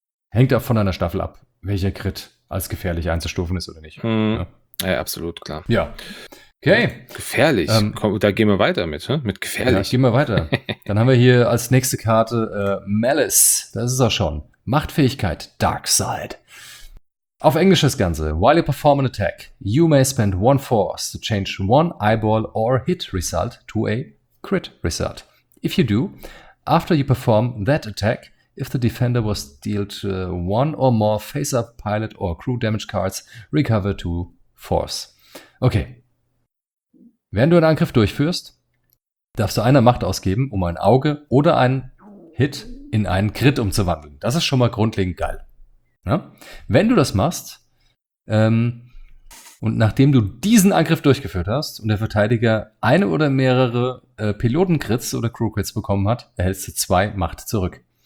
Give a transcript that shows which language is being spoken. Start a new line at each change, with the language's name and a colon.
German: Hängt auch von deiner Staffel ab, welcher Crit als gefährlich einzustufen ist oder nicht. Ja, absolut, klar. Ja. Okay. Gefährlich. Komm, da gehen wir weiter mit, mit gefährlich. Ja, gehen wir weiter. Dann haben wir hier als nächste Karte Malice. Das ist er schon. Machtfähigkeit Darkseid. Auf Englisch das Ganze.
English: While you perform an attack, you may spend one force to change one eyeball or hit result to a crit result. If you do, after you perform that attack, if the defender was dealt one or more face-up pilot or crew damage cards, recover to force. Okay.
German: Während du einen Angriff durchführst, darfst du eine Macht ausgeben, um ein Auge oder einen Hit in einen Crit umzuwandeln. Das ist schon mal grundlegend geil. Ja? Wenn du das machst, und nachdem du diesen Angriff durchgeführt hast und der Verteidiger eine oder mehrere Pilotencrits oder Crewcrits bekommen hat, erhältst du 2 Macht zurück.